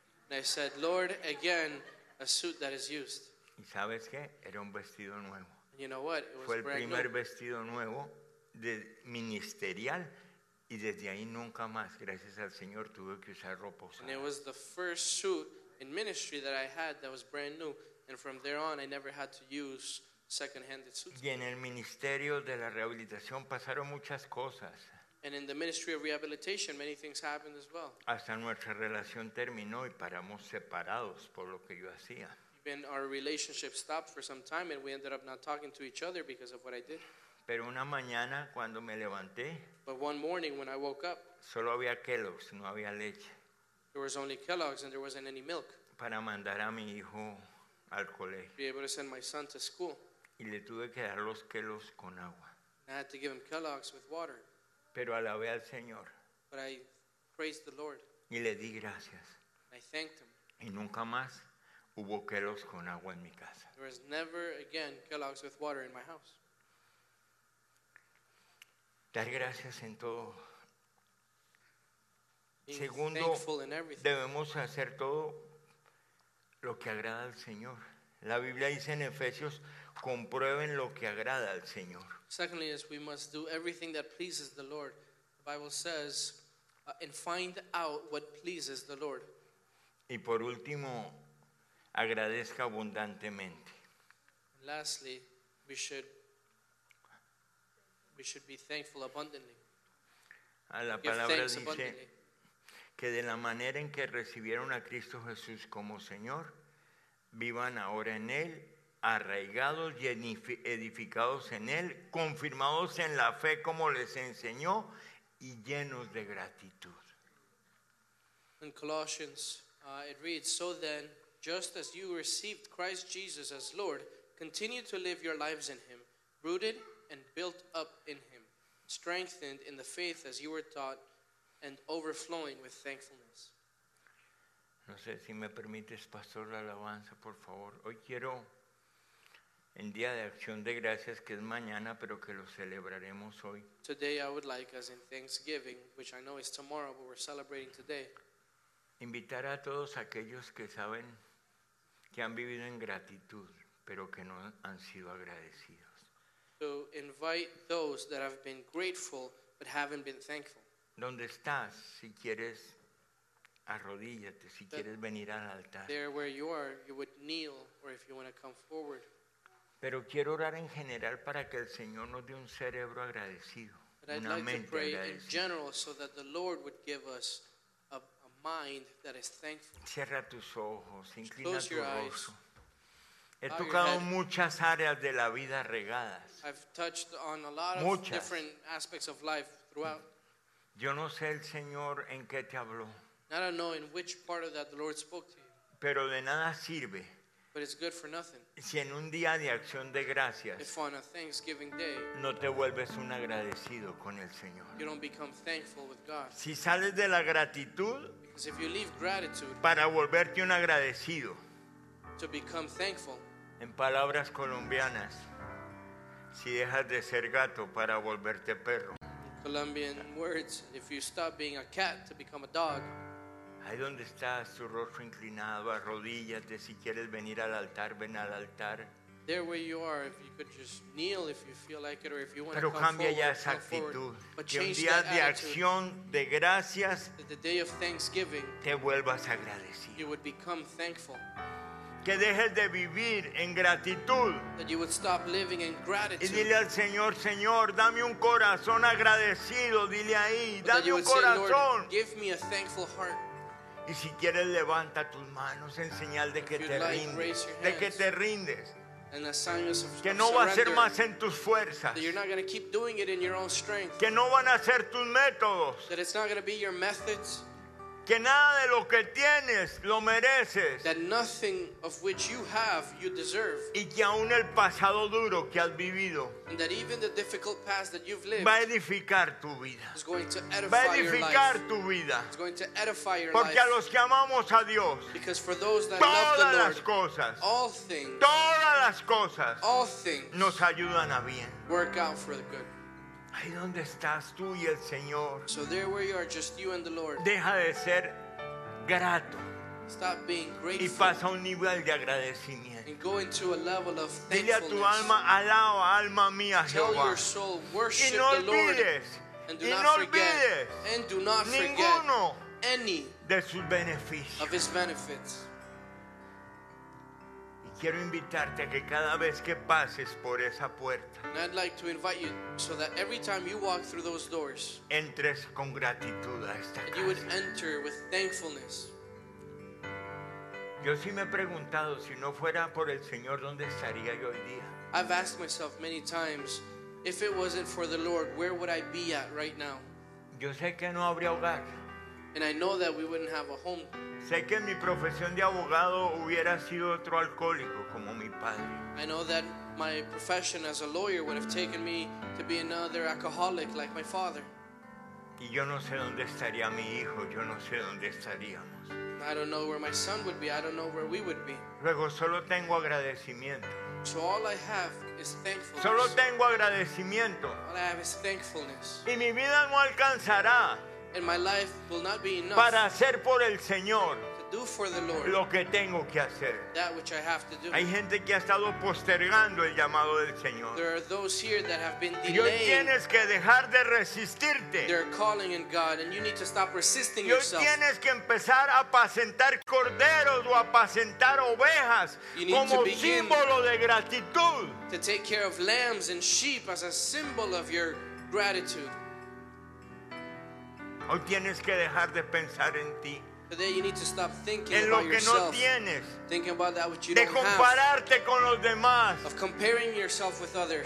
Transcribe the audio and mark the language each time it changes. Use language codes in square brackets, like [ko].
[en] And I said, Lord, again, a suit that is used. [es] ¿Y sabes qué? Era un vestido nuevo. [en] You know what? It was [es] Fue el [en] brand [es] primer [en] new. [es] Vestido nuevo. De ministerial y desde ahí nunca más gracias al Señor tuve que usar ropa usada. [en] And it was the first suit in ministry that I had that was brand new, and from there on I never had to use second-handed suits. [es] Y en el ministerio de la rehabilitación pasaron muchas cosas. [en] And in the ministry of rehabilitation many things happened as well. [es] Hasta nuestra relación terminó y paramos separados por lo que yo hacía. [en] Even our relationship stopped for some time and we ended up not talking to each other because of what I did. [es] Pero una mañana cuando me levanté, [en] but one morning when I woke up, [es] solo había Kellogg's, no había leche. [en] There was only Kellogg's and there wasn't any milk. [es] Para mandar a mi hijo al colegio. [en] Be able to send my son to school. [es] Y le tuve que dar los Kellogg's con agua. [en] I had to give him Kellogg's with water. [es] Pero alabé al Señor. [en] But I praised the Lord. [es] Y le di gracias. [en] I thanked him. [es] Y nunca más hubo Kellogg's con agua en mi casa. [en] There was never again Kellogg's with water in my house. [es] Dar gracias en todo. Segundo, debemos hacer todo lo que agrada al Señor. La Biblia dice en Efesios, comprueben lo que agrada al Señor. [en] Secondly, is we must do everything that pleases the Lord. The Bible says, and find out what pleases the Lord. [es] Y por último, agradezca abundantemente. [en] And lastly, we should be thankful abundantly. [es] A la palabra dice que de la manera en que recibieron a Cristo Jesús como Señor, vivan ahora en Él, arraigados y edificados en Él, confirmados en la fe como les enseñó y llenos de gratitud. [en] In Colossians, it reads, so then, just as you received Christ Jesus as Lord, continue to live your lives in Him, rooted and built up in Him, strengthened in the faith as you were taught, and overflowing with thankfulness. [es] No sé si me permites, Pastor, la alabanza, por favor. Hoy quiero, en Día de Acción de Gracias, que es mañana, pero que lo celebraremos hoy. [en] Today I would like, as in Thanksgiving, which I know is tomorrow, but we're celebrating today. [es] Invitar a todos aquellos que saben que han vivido en gratitud, pero que no han sido agradecidos. [en] To invite those that have been grateful but haven't been thankful. [es] ¿Dónde estás? Si quieres, arrodíllate. Si quieres venir al altar. [en] There where you are, you would kneel, or if you want to come forward. [es] Pero quiero orar en general para que el Señor nos dé un cerebro agradecido, una mente agradecida. [en] But I'd like to pray in general so that the Lord would give us a mind that is thankful. [es] Cierra tus ojos, inclina [en] close [es] tu rostro. He tocado muchas áreas de la vida regadas. [en] I've touched on a lot [es] muchas. [en] Of different aspects of life throughout. [es] Yo no sé el Señor en qué te habló. [en] I don't know in which part of that the Lord spoke to you. [es] Pero de nada sirve [en] But it's good for nothing. [es] Si en un día de acción de gracias, [en] if on a Thanksgiving day, [es] no te vuelves un agradecido con el Señor. [en] You don't become thankful with God. [es] Si sales de la gratitud, [en] because if you leave gratitude, [es] para volverte un agradecido, [en] to become thankful, [es] en palabras colombianas, si dejas de ser gato para volverte perro. [en] Colombian words, if you stop being a cat to become a dog. [es] Ahí donde estás, tu rostro inclinado, arrodíllate. Si quieres venir al altar, ven al altar. [en] There where you are, if you could just kneel if you feel like it, or if you want [es] pero [en] to come forward, [es] ya esa actitud, [en] forward. But change [es] un día [en] that [es] de acción de gracias, [en] that the day of thanksgiving, [es] te vuelvas agradecido. [en] You would become thankful. [es] Que dejes de vivir en gratitud. [en] That you would stop living in gratitude. [es] Y dile al Señor, Señor, dame un corazón agradecido. Dile ahí, dame un corazón. [en] Say, give me a thankful heart. [es] Y si quieres, levanta tus manos en señal de que te rindes. De que te rindes. Que no va a ser más en tus fuerzas. [en] That you're not going to keep doing it in your own strength. [es] Que no van a ser tus métodos. [en] That it's not going to be your methods. [es] Que nada de lo que tienes lo mereces. [en] That nothing of which you have, you deserve. [es] Y que aún el pasado duro que has vivido, [en] and that even the difficult past that you've lived, [es] va a edificar tu vida. [en] Is going to edify your life. [es] Va a edificar tu vida. [en] It's going to edify your [es] porque [en] life. [es] A los que amamos a Dios, [en] because for those that [es] todas [en] love the Lord, [es] las cosas, [en] all things, [es] todas las cosas, [en] all things, [es] nos ayudan a bien. [en] Work out for the good. [es] Ahí donde estás tú y el Señor. [en] So there where you are, just you and the Lord. [es] Deja de ser grato. [en] Stop being grateful. [es] Y pasa a un nivel de agradecimiento. [en] And go into a level of thankfulness. [es] Dile a tu alma, alaba alma mía, Jehová. [en] Tell your soul, worship [es] y no [en] the Lord. [es] Olvides, [en] and do [es] y [en] not [es] no [en] forget. [es] Olvides [en] and do not [es] ninguno [en] forget any [es] de sus beneficios. [en] Of his benefits. [es] Quiero invitarte a que cada vez que pases por esa puerta, [en] and I'd like to invite you so that every time you walk through those doors, [es] entres con gratitud a esta casa. [en] You would enter with thankfulness. [es] Yo sí me he preguntado, si no fuera por el Señor, ¿dónde estaría yo hoy día? [en] I've asked myself many times, if it wasn't for the Lord, where would I be at right now? [es] Yo sé que no habría hogar. [en] And I know that we wouldn't have a home. [es] Sé que mi profesión de abogado hubiera sido otro alcohólico como mi padre. [en] I know that my profession as a lawyer would have taken me to be another alcoholic like my father. [es] Y yo no sé dónde estaría mi hijo, yo no sé dónde estaríamos. [en] I don't know where my son would be, I don't know where we would be. [es] Luego solo tengo agradecimiento. [en] So all I have is thankfulness. [es] Solo tengo agradecimiento. [en] All I have is thankfulness. [es] Y mi vida no alcanzará. [en] And my life will not be enough [es] para hacer por el Señor [en] to do for the Lord [es] lo que tengo que hacer. [en] That which I have to do. [es] Hay gente que ha estado postergando el llamado del Señor. [en] There are those here that have been delaying. [es] Y hoy tienes que dejar de resistirte. [en] They're calling in God and you need to stop resisting [es] y hoy [en] yourself. [es] Tienes que empezar a apacentar corderos o apacentar ovejas como símbolo de gratitud. [en] To take care of lambs and sheep as a symbol of your gratitude. [es] Hoy tienes que dejar de pensar en ti. [en] Today you need to stop thinking [es] en [en] about [es] lo que [en] yourself, [es] no tienes. [en] Thinking about that which you [es] de [en] don't [es] compararte [en] have, [es] con los demás. [en] Of comparing yourself with others.